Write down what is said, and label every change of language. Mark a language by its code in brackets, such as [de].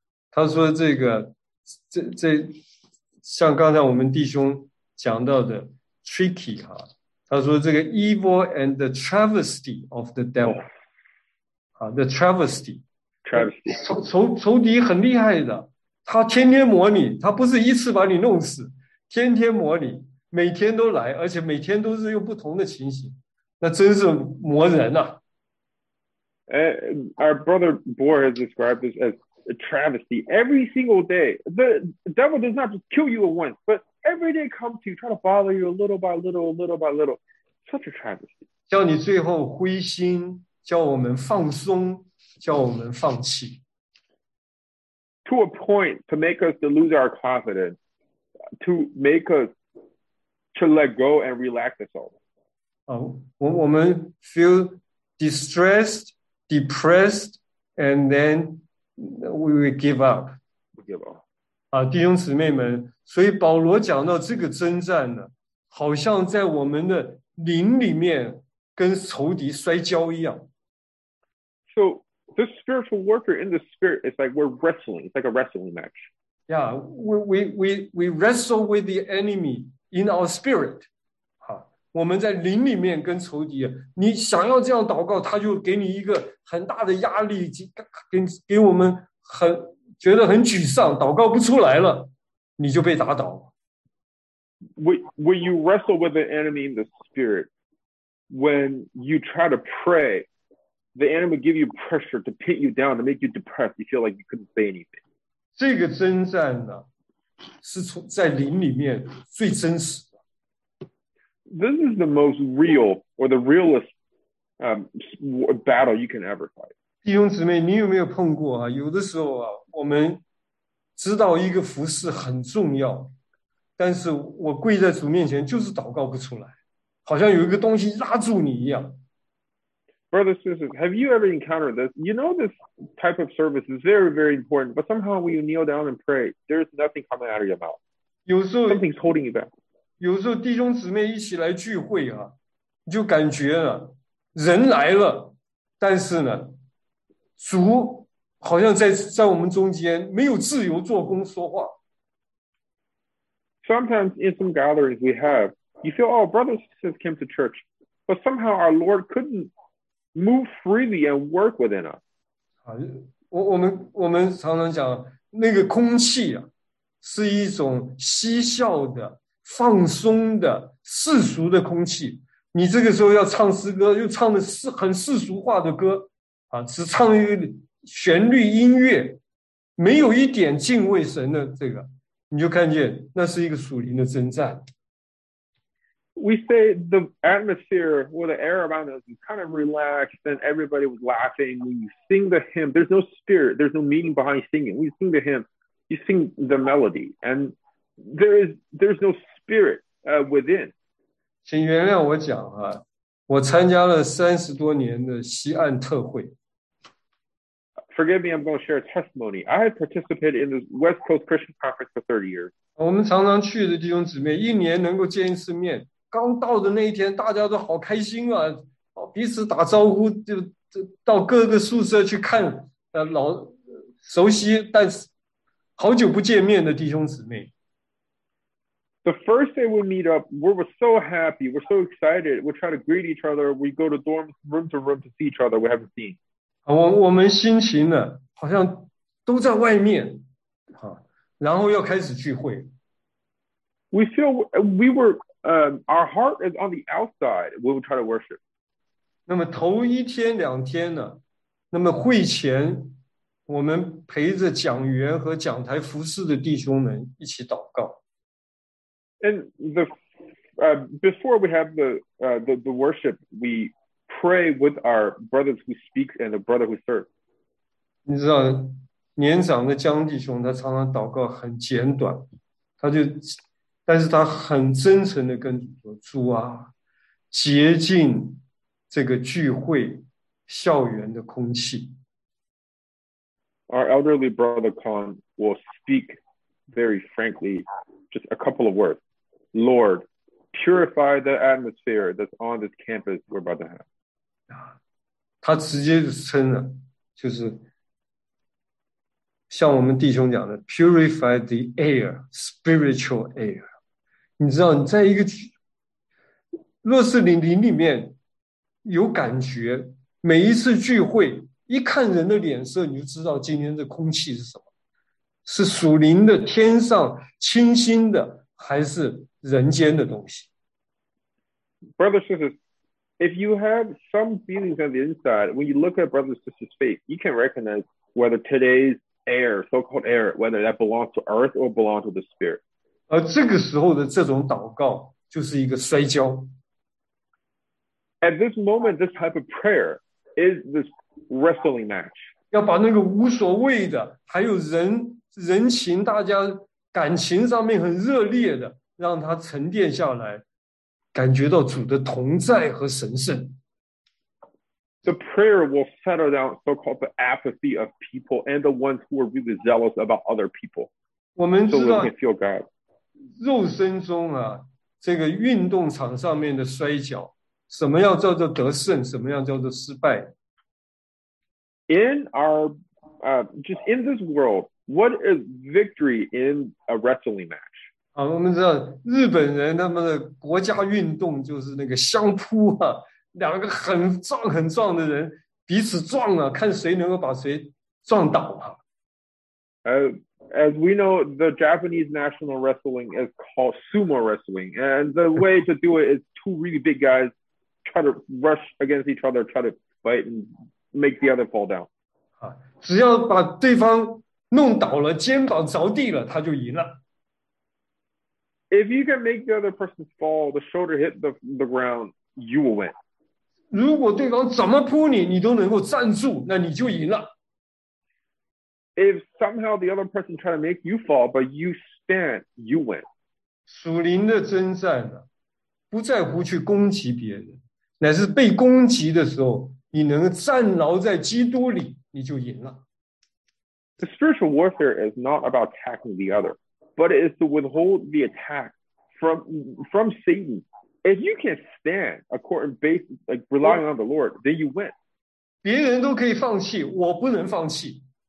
[zh] 他说这个这像刚才我们弟兄讲到的 tricky 啊，他说这个 [en] evil and the travesty of the devil、 [zh] oh. 啊 [en] the travesty [zh] 仇敌很厉害的，他天天磨你，他不是一次把你弄死，天天磨你，每天都来，而且每天都是用不同的情形，那真是磨人啊。 [en] Our brother Boer has described this as a travesty. Every single day, the devil does not just kill you at once, but every day comes to you, try to bother you little by little, little by little. Such a travesty. [zh] 叫你最后灰心，叫我们放松，叫我们放弃。 [en] To a point to make us to lose our confidence, to make us to let go and relax ourselves. [zh] 我们 [en] feel distressed, depressed, and then we give up. Give up. [zh] 弟兄姊妹们，所以保罗讲到这个征战呢，好像在我们的灵里面跟仇敌摔跤一样。 [en] So the spiritual warfare in the spirit is like we're wrestling. It's like a wrestling match. Yeah, we wrestle with the enemy in our spirit. [zh] 我们在灵里面跟仇敌，你想要这样祷告，他就给你一个很大的压力，给我们很觉得很沮丧，祷告不出来了，你就被打倒。 [en] When you wrestle with the enemy in the spirit, when you try to pray, the enemy give you pressure to pin you down, to make you depressed, you feel like you couldn't say anything. [zh] 这个征战呢，是从在灵里面最真实。 [en] This is the most real or the realest battle you can ever fight. [zh] 弟兄姊妹，你有没有碰过啊？有的时候啊，我们知道一个服事很重要，但是我跪在主面前就是祷告不出来，好像有一个东西拉住你一样。 [en] Brothers and sisters, have you ever encountered this? You know this type of service is very, very important, but somehow when you kneel down and pray, there's nothing coming out of your mouth. [zh] 有时候 [en] something's holding you back. [zh] 有时候弟兄姊妹一起来聚会啊，就感觉啊，人来了，但是呢，主好像在我们中间没有自由做工说话。 [en] Sometimes in some gatherings we have, you feel, oh, brothers and sisters came to church, but somehow our Lord couldn't move freely and work within us. [zh] 我们常常讲，那个空气啊，是一种嬉笑的放松的世俗的空气，你这个时候要唱诗歌，又唱的是很世俗化的歌啊，只唱一个旋律音乐，没有一点敬畏神的这个，你就看见那是一个属灵的征战。 [en] We say the atmosphere or the air around us is kind of relaxed, and everybody was laughing when you sing the hymn. There's no spirit, there's no meaning behind singing. When you sing the hymn, you sing the melody and. There's no spirit within. [zh] 请原谅我讲啊，我参加了30多年的西岸特会。 [en] Forgive me, I'm going to share a testimony. I have participated in the West Coast Christian Conference for 30 years. [zh] 我们常常去的弟兄姊妹，一年能够见一次面。刚到的那一天，大家都好开心啊，彼此打招呼，就到各个宿舍去看老熟悉，但是好久不见面的弟兄姊妹。 [en] The first day we meet up, we're so happy, we're so excited, we try to greet each other, we go to dorm room to room to see each other, we haven't seen. [zh] 我们心情呢，好像都在外面，然后要开始聚会。 [en] We feel, we were, our heart is on the outside, we will try to worship. [zh] 那么头一天两天呢，那么会前，我们陪着讲员和讲台服事的弟兄们一起祷告。 [en] And the before we have the worship, we pray with our brothers who speak and the brother who serves. [zh] 你知道，年长的江弟兄他常常祷告很简短，他就，但是他很真诚的跟主说，主啊，洁净这个聚会校园的空气。 [en] Our elderly brother Khan will speak very frankly, just a couple of words. Lord, purify the atmosphere that's on this campus we're about to have. [zh] 他直接就称了，就是像我们弟兄讲的 [en] purify the air, spiritual air. [zh] 你知道你在一个，若是你灵里面有感觉，每一次聚会一看人的脸色，你就知道今天的空气是什么，是属灵的天上清新的，还是人间的东西。 [en] Brother, sister, if you have some feelings on the inside, when you look at brother, sister's face, you can recognize whether today's air, so-called air, whether that belongs to earth or belongs to the spirit. [zh] 而这个时候的这种祷告就是一个摔跤。 [en] At this moment, this type of prayer is this wrestling match. [zh] 要把那个无所谓的，还有人人情，大家感情上面很热烈的，让他沉淀下来，感觉到主的同在和神圣。 [en] The prayer will settle down so-called the apathy of people and the ones who are really zealous about other people. [zh] 我们知道 [en] so they can feel God. [zh] 肉身中啊，这个运动场上面的摔跤，什么样叫做得胜，什么样叫做失败？ [en] In our, just in this world. What is victory in a wrestling match? [zh] 好，我们知道日本人他们的国家运动就是那个相扑啊，两个很壮很壮的人彼此撞啊，看谁能够把谁撞倒啊。 [en] As we know, the Japanese national wrestling is called sumo wrestling, and the way to do it is two really big guys try to rush against each other, try to fight and make the other fall down. [zh] 只要把对方弄倒了，肩膀着地了，他就赢了。 [en] If you can make the other person fall, the shoulder hit the ground, you will win. [zh] 如果对方怎么扑你，你都能够站住，那你就赢了。 [en] If somehow the other person try to make you fall, but you stand, you win. [zh] 属灵的征战呢，不在乎去攻击别人，乃是被攻击的时候，你能够站牢在基督里，你就赢了。 [en] The spiritual warfare is not about attacking the other, but it is to withhold the attack from Satan. If you can stand according based, like relying on the Lord, then you win. [zh] 别人都可以放弃，我不能放弃。